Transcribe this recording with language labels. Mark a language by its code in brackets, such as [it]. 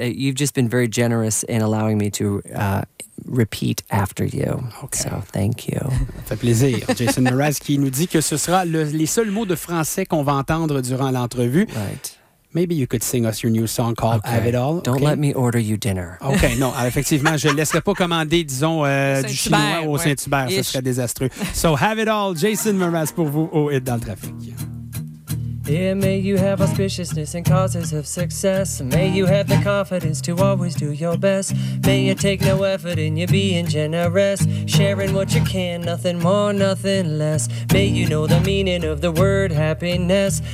[en] You've just been very generous in allowing me to repeat after you. Okay. So thank you. [fr] Ça fait plaisir. Jason Mraz qui nous dit que ce sera les seuls mots de français qu'on va entendre durant l'entrevue. [en] Right. Maybe you could sing us your new song called okay. Have It All. Don't let me order you dinner. [fr] OK, non, effectivement, je ne laisserai pas commander, disons, du chinois au Saint-Hubert. Ce serait désastreux. So Have It All, Jason Mraz pour vous au Hit dans le trafic. [en] Yeah, may you have auspiciousness and causes of success. May you have the confidence to always do your best. May you take no effort in your being generous. Sharing what you can, nothing more, nothing less. May you know the meaning of the word happiness.